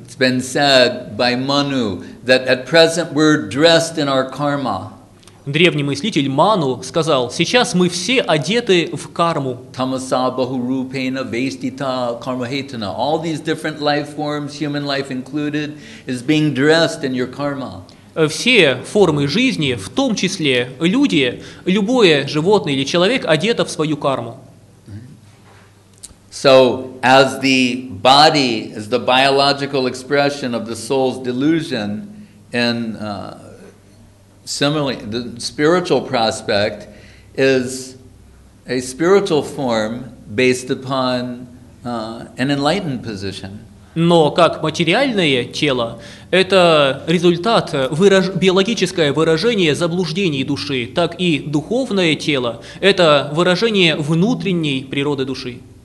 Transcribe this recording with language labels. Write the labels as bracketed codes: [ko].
[en] It's been said by Manu that at present we're dressed in our karma. [ru] Древний мыслитель Ману сказал, сейчас мы все одеты в карму. [sa] Tamasa, Bahurupena, Vestita, Karmahetana, [en] all these different life forms, human life included, is being dressed in your karma. [ru] Все формы жизни, в том числе люди, любое животное или человек, одето в свою карму. [en] So, as the body is the biological expression of the soul's delusion in similarly, the spiritual prospect is a spiritual form based upon an enlightened position. [ru] Но как материальное тело, это результат, биологическое выражение заблуждений души, так и духовное тело, это выражение внутренней природы души.